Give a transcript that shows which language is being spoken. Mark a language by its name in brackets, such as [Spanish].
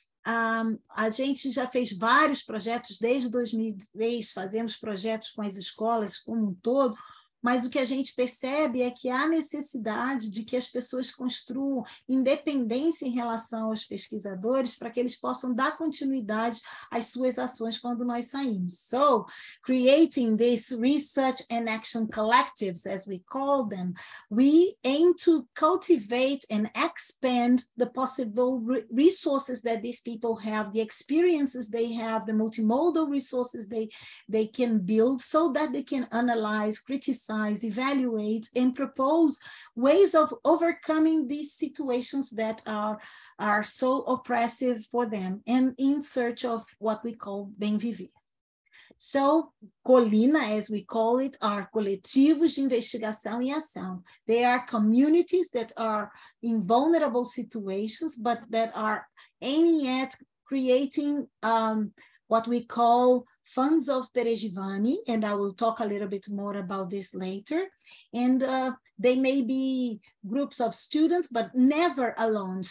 [Portuguese] a gente já fez vários projetos desde 2003, fazemos projetos com as escolas como um todo, mas o que a gente percebe é que há necessidade de que as pessoas construam independência em relação aos pesquisadores para que eles possam dar continuidade às suas ações quando nós saímos. [English] So, creating these research and action collectives, as we call them, we aim to cultivate and expand the possible resources that these people have, the experiences they have, the multimodal resources they can build so that they can analyze, criticize, evaluate, and propose ways of overcoming these situations that are so oppressive for them and in search of what we call bem viver. So, Colina, as we call it, are [Portuguese] coletivos de investigação e ação. [English] They are communities that are in vulnerable situations, but that are aiming at creating what we call funds of Perejivani, and I will talk a little bit more about this later. And they may be groups of students, but never alone.